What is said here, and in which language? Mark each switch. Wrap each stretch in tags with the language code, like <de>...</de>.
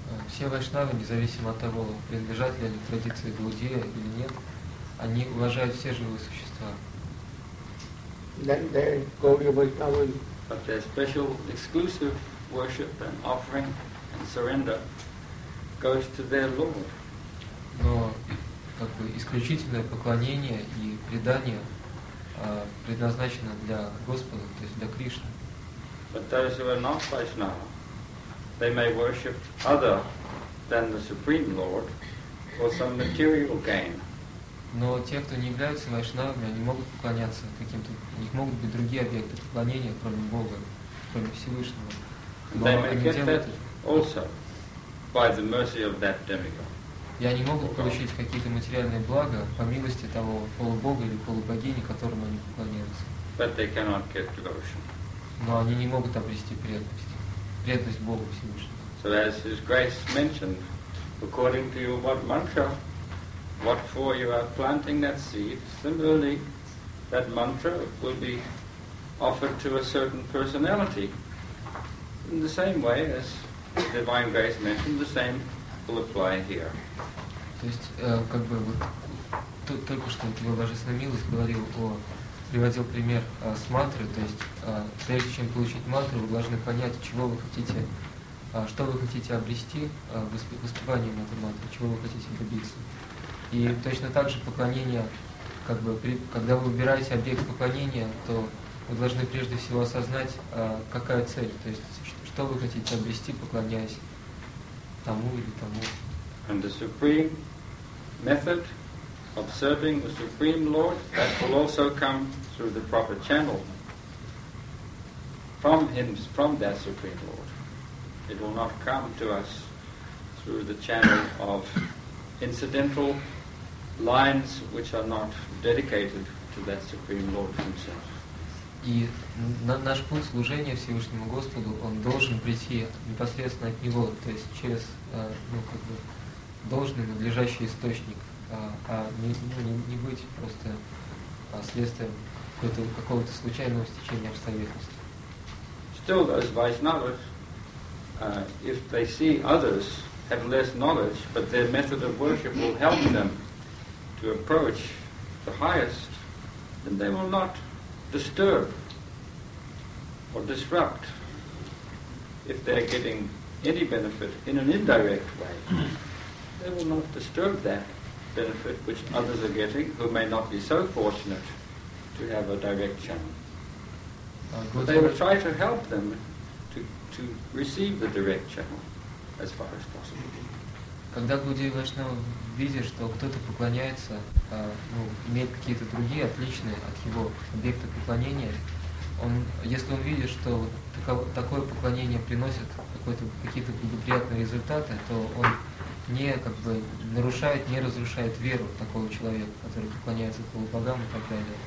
<ru>Все вайшнавы, независимо от того, принадлежат ли они традиции Гаудия или нет, они уважают все живые существа.</ru> <en>Then they Gaudiya Vaishnava. But their special exclusive worship and offering and surrender goes to their Lord.</en> <ru>Но как бы исключительное поклонение и предание предназначено для Господа, то есть для Кришны.</ru> <en>But those who are not Vaishnava, they may worship other than the Supreme Lord for some material gain.</en> <ru>Но те, кто не являются вайшнавами, они могут поклоняться каким-то, у них могут быть другие объекты поклонения, кроме Бога, кроме Всевышнего. Но они делают это</ru> <en>also by the mercy of that demigod.</en> <ru>и они могут получить какие-то материальные блага по милости того полубога или полубогини, которому они поклоняются.</ru> <en>But they cannot get devotion.</en> <ru>Но они не могут обрести преданность, преданность Богу Всевышнему.</ru> <en>So as His Grace mentioned, according to you, what mantra, what for you are planting that seed, similarly, that mantra will be offered to a certain personality. In the same way, as Divine Grace mentioned, the same will apply here.</en> <ru>То есть, как бы, вот, только что Его Божественная Милость говорил о, приводил пример с мантры, то есть, прежде чем получить мантру, вы должны понять, чего вы хотите, что вы хотите обрести воспеванием этой мантры, чего вы хотите добиться. И точно так же поклонение, как бы, при, когда вы выбираете объект поклонения, то вы должны прежде всего осознать, какая цель, то есть, что вы хотите обрести, поклоняясь тому или тому.</ru> <en>And the supreme method of serving the Supreme Lord, that will also come through the proper channel from Him, from that Supreme Lord. It will not come to us through the channel of incidental lines which are not dedicated to that Supreme Lord Himself.</en> <ru>И наш путь служения Всевышнему Господу, он должен прийти непосредственно от Него, то есть через, ну, как бы, должный, надлежащий источник, а не, ну, не быть просто следствием какого-то случайного стечения обстоятельств.</ru> <en>Still those Vaishnavas, if they see others have less knowledge, but their method of worship will help them to approach the highest, then they will not disturb or disrupt if they are getting any benefit in an indirect way. They will not disturb that benefit which others are getting who may not be so fortunate to have a direct channel. But they will try to help them to receive the direct channel as far as possible.</en> <ru>Когда Гурудева Вайшнава видит, что кто-то поклоняется, ну, имеет какие-то другие, отличные от его объекта поклонения, он, если он видит, что такое поклонение приносит какие-то благоприятные результаты, то он не, как бы, нарушает, не разрушает веру такого человека, который поклоняется полубогам и так далее.</ru>